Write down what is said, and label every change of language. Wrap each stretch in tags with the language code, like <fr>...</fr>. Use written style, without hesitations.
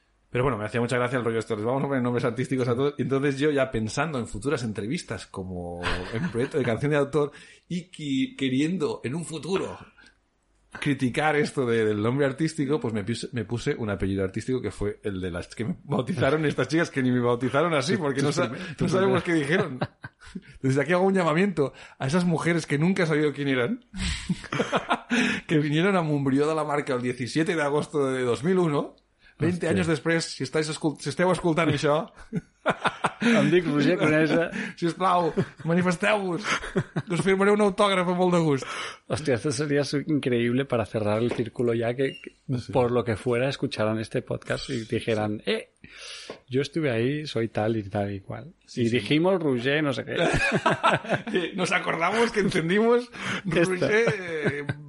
<es>Pero bueno, me hacía mucha gracia el rollo esto. Les vamos a poner nombres artísticos a todos. Entonces yo ya pensando en futuras entrevistas como en proyecto de canción de autor y queriendo en un futuro criticar esto del nombre artístico, pues me puse un apellido artístico que fue el de las que me bautizaron estas chicas, que ni me bautizaron así porque no sabemos qué dijeron. Desde aquí hago un llamamiento a esas mujeres que nunca he sabido quién eran, que vinieron a Montbrió de la Marca el 17 de agosto de 2001...</es> <ca>20 hostia,</ca> <es>años</es> <ca>després, si esteu escoltant això... Em dic Roger Conesa. Sisplau, manifesteu-vos. Us firmaré un autògraf amb molt de gust. Hòstia, això seria increïble per</ca> <es>cerrar el círculo</es> <ca>ja que,</ca> <es>sí, por lo que fuera, escucharan este podcast i dijeran, yo estuve ahí, soy tal y tal y cual. Sí, y sí, dijimos Roger, no sé qué. Nos acordamos que entendimos Roger...</es>